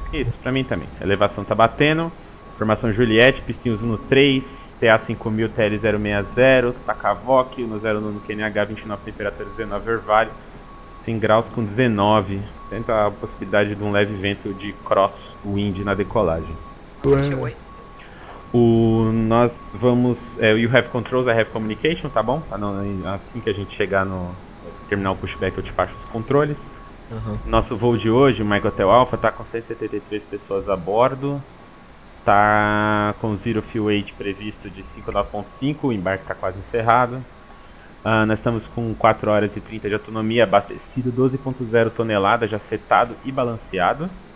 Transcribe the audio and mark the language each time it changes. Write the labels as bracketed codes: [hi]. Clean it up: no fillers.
[pt] Isso, pra mim também. Elevação tá batendo. Formação Juliette, pistinhos 1-3, TA-5000, TL-060, Takavok, 1-0-1 no QNH, 29, temperatura 19, orvalho, 100 graus com 19. Tenta a possibilidade de um leve vento de crosswind na decolagem. Nós vamos... [en] you have controls, I have communication, [pt] tá bom? Assim que a gente chegar no... terminar o pushback, eu te passo os controles. Uhum. Nosso voo de hoje, o Mike Hotel Alpha, tá com 173 pessoas a bordo. Tá com zero fuel weight previsto de 5.5, o embarque tá quase encerrado. Nós estamos com 4 horas e 30 de autonomia, abastecido 12.0 toneladas, já setado e balanceado.